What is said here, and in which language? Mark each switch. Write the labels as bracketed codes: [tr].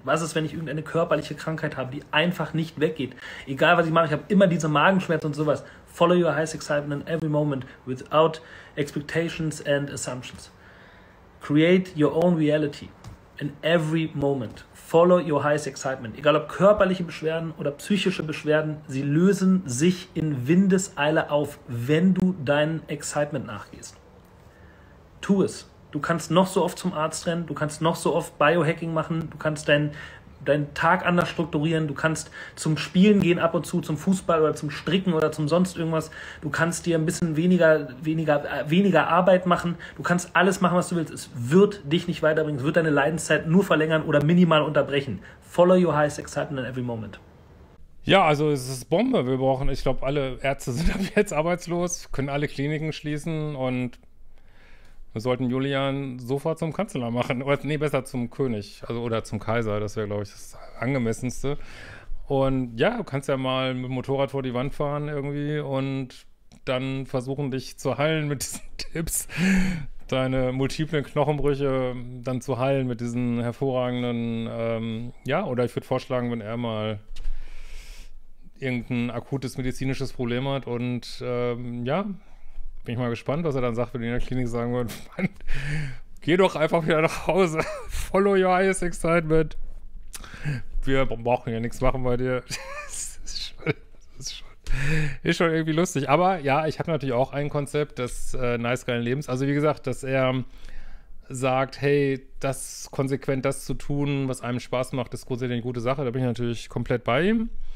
[de] Was ist, wenn ich irgendeine körperliche Krankheit habe, die einfach nicht weggeht? Egal, was ich mache, ich habe immer diese Magenschmerzen und sowas. [en] Follow your highest excitement in every moment without expectations and assumptions. Create your own reality in every moment. Follow your highest excitement. [de] Egal ob körperliche Beschwerden oder psychische Beschwerden, sie lösen sich in Windeseile auf, wenn du deinem Excitement nachgehst. Tu es. Du kannst noch so oft zum Arzt rennen, du kannst noch so oft Biohacking machen, du kannst deinen Tag anders strukturieren, du kannst zum Spielen gehen ab und zu, zum Fußball oder zum Stricken oder zum sonst irgendwas, du kannst dir ein bisschen weniger Arbeit machen, du kannst alles machen, was du willst, es wird dich nicht weiterbringen, es wird deine Leidenszeit nur verlängern oder minimal unterbrechen. [en] Follow your highest excitement in every moment. [de] Ja, also es ist Bombe, wir brauchen, ich glaube, alle Ärzte sind ab jetzt arbeitslos, können alle Kliniken schließen, und wir sollten Julian sofort zum Kanzler machen. Oder nee, besser zum König, also oder zum Kaiser. Das wäre, glaube ich, das Angemessenste. Und ja, du kannst ja mal mit dem Motorrad vor die Wand fahren irgendwie und dann versuchen, dich zu heilen mit diesen Tipps. Deine multiplen Knochenbrüche dann zu heilen mit diesen hervorragenden, ja, oder ich würde vorschlagen, wenn er mal irgendein akutes medizinisches Problem hat und ja, bin ich mal gespannt, was er dann sagt, wenn die in der Klinik sagen würden, Mann, geh doch einfach wieder nach Hause. [en] Follow your highest excitement. [de] Wir brauchen ja nichts machen bei dir. Das ist schon irgendwie lustig. Aber ja, ich habe natürlich auch ein Konzept des nice, geilen Lebens. Also wie gesagt, dass er sagt, hey, das konsequent das zu tun, was einem Spaß macht, ist grundsätzlich eine gute Sache. Da bin ich natürlich komplett bei ihm.